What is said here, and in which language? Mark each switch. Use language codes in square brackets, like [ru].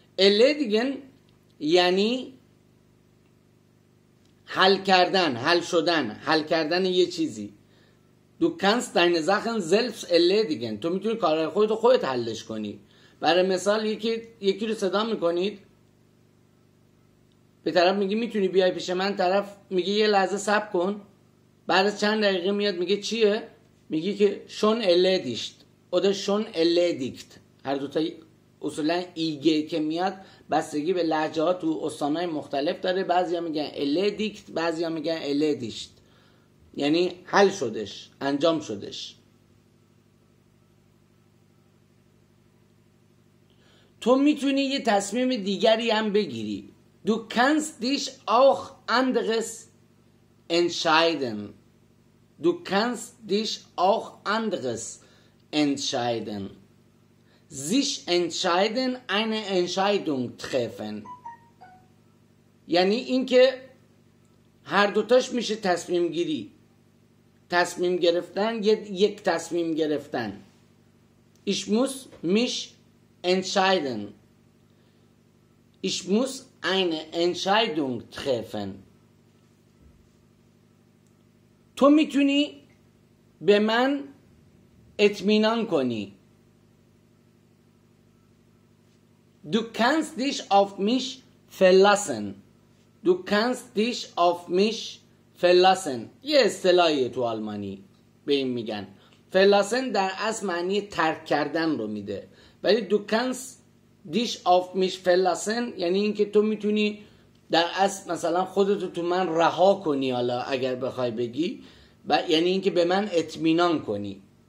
[fa] Erledigen یعنی حل کردن، حل شدن، حل کردن یه چیزی. [de] Du kannst deine Sachen selbst erledigen. [fa] تو میتونی کارهای خودت رو خودت حلش کنی. برای مثال یکی رو صدا میکنید، به طرف میگی میتونی بیای پیش من، طرف میگه یه لحظه صبر کن. بعد چند دقیقه میاد میگه چیه؟ میگی که [de] schon erledigt oder schon erledigt. [fa] هر دوتا اصولا ایگه که میاد بستگی به لهجه ها تو استانهای مختلف داره. بعضی ها میگن erledigt، بعضی ها میگن erledigt، یعنی حل شدش، انجام شدش. تو میتونی یه تصمیم دیگری هم بگیری. [de] Du kannst dich auch anderes entscheiden. Du kannst dich auch anderes entscheiden. Sich entscheiden, eine Entscheidung treffen. [fa] یعنی اینکه هر دوتاش میشه تصمیم گیری، تصمیم گرفتن، یک تصمیم گرفتن. [de] ایش موس میش انشایدن، ایش موس این انشایدونگ تخیفن. [fa] تو میتونی به من اطمینان کنی. [de] Du kannst dich auf mich verlassen. Du kannst dich auf mich verlassen. [fa] یه اصطلاحیه تو آلمانی به این میگن. Verlassen در اصل معنی ترک کردن رو میده. ولی [de] du kannst dich auf mich verlassen [fa] یعنی اینکه تو میتونی در اصل مثلا خودتو تو من رها کنی، حالا اگر بخوای بگی، و یعنی اینکه به من اطمینان کنی.